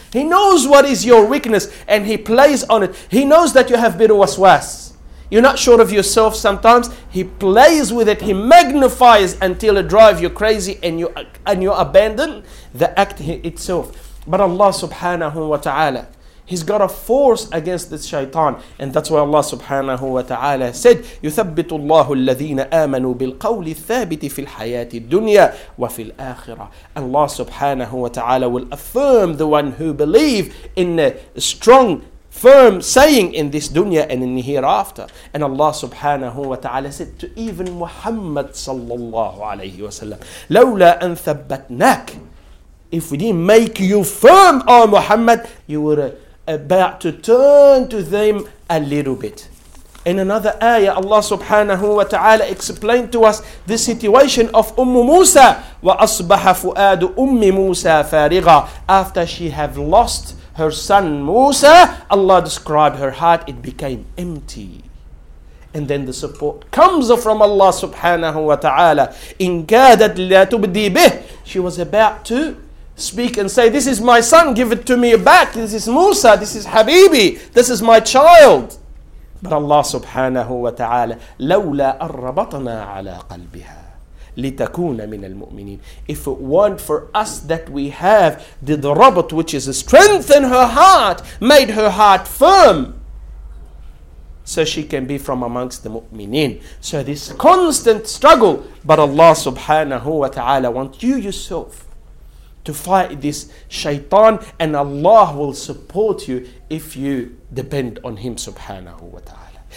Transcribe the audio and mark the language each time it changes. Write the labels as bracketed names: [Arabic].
[English] He knows what is your weakness, and he plays on it. He knows that you have bitter waswas. You're not sure of yourself sometimes. He plays with it. He magnifies until it drives you crazy, and you abandon the act itself. But Allah subhanahu wa ta'ala, he's got a force against this shaitan. And that's why Allah subhanahu wa ta'ala said, [Arabic] يُثَبِّتُ اللَّهُ الَّذِينَ آمَنُوا بِالْقَوْلِ الثَّابِتِ فِي الْحَيَاةِ الدُّنْيَا وَفِي الْآخِرَةِ. [English] Allah subhanahu wa ta'ala will affirm the one who believe in a strong, firm saying in this dunya and in the hereafter. And Allah subhanahu wa ta'ala said to even Muhammad sallallahu alayhi wa sallam, [Arabic] لَوْلَا أَن ثَبَّتْنَاكَ. [English] If we didn't make you firm, O Muhammad, you were about to turn to them a little bit. In another ayah, Allah subhanahu wa ta'ala explained to us the situation of Ummu Musa. [Arabic] وَأَصْبَحَ فُؤَادُ أُمِّ مُوسَى فَارِغًا. [English] After she have lost her son Musa, Allah described her heart, it became empty. And then the support comes from Allah subhanahu wa ta'ala. [Arabic] إِنْ كَادَتْ لَا تُبْدِي بِهِ. [English] She was about to speak and say, this is my son, give it to me back. This is Musa, this is Habibi, this is my child. But Allah subhanahu wa ta'ala, [Arabic] لولا أربطنا على قلبها لتكون من المؤمنين. [English] If it weren't for us that we have did the rabat, which is strengthen her heart, made her heart firm, so she can be from amongst the mu'mineen. So this constant struggle, but Allah subhanahu wa ta'ala wants you yourself to fight this shaitan, and Allah will support you if you depend on him subhanahu wa ta'ala.